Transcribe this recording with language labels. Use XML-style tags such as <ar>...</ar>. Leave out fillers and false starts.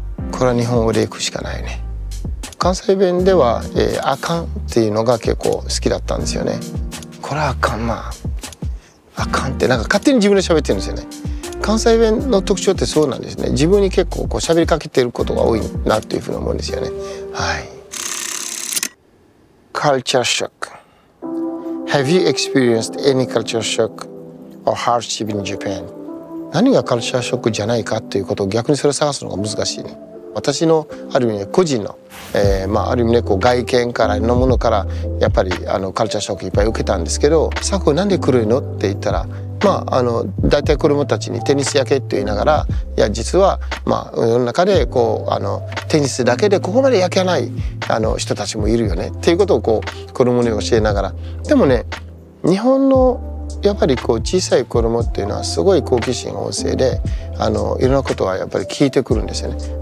<ja>これは日本語でいくしかないね。関西弁では、あかんっていうのが結構好きだったんですよね。これはあかんな。あかんってなんか勝手に自分で喋ってるんですよね。関西弁の特徴ってそうなんですね。自分に結構こう喋りかけてることが多いなというふうに思うんですよね。はい。Culture shock.</ja> <en>Have you experienced any culture shock or hardship in Japan?</en> <ja>何がカルチャーショックじゃないかということを逆にそれを探すのが難しいね。私のある意味個人の、ある意味ねこう外見からのものからやっぱりカルチャーショックいっぱい受けたんですけど、佐久なんで来るのって言ったら、大体子どもたちにテニスやけって言いながら、いや実は、世の中でこうテニスだけでここまで焼けない人たちもいるよねっていうことをこう子どもに教えながら、でもね日本のやっぱりこう小さい子供っていうのはすごい好奇心旺盛でいろんなことはやっぱり聞いてくるんですよね。</ja>